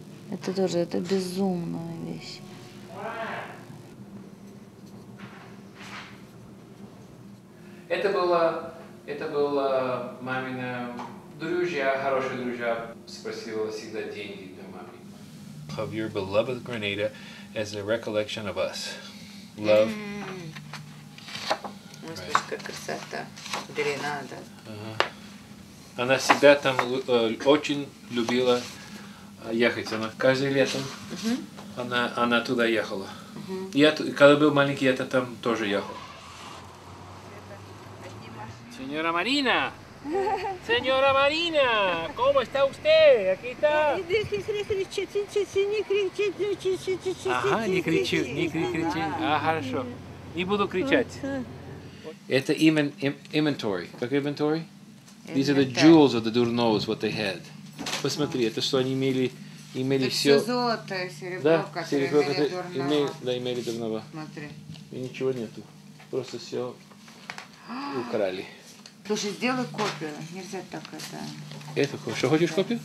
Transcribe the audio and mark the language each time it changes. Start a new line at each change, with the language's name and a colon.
Russian: Это тоже, это безумная вещь. Это было мамина друзья, хорошие друзья спросила всегда деньги для мамы.
English: Of your beloved Grenada as a recollection of us. Love. Mm-hmm. Right.
Russian: какая красота, Гренада. Ага. Она всегда там очень любила ехать, она каждый летом она туда ехала. Я, когда был маленький, я там тоже ехал.
Spanish: Señora Marina, señora Marina, ¿cómo está usted? Aquí está.
Russian: Ага, не кричу, не кричу. А, хорошо. Не буду кричать. Это inventory. Как inventory?
English: These are the jewels of the Durnovs, what they had.
Russian: Посмотри, это что они имели. Имели все золото, серебро, да, которое серебро, имели Дурнова. Имели Дурнова. Смотри. И ничего нету. Просто все украли. Слушай, сделай копию. Нельзя так это... Это хорошо. Хочешь копию?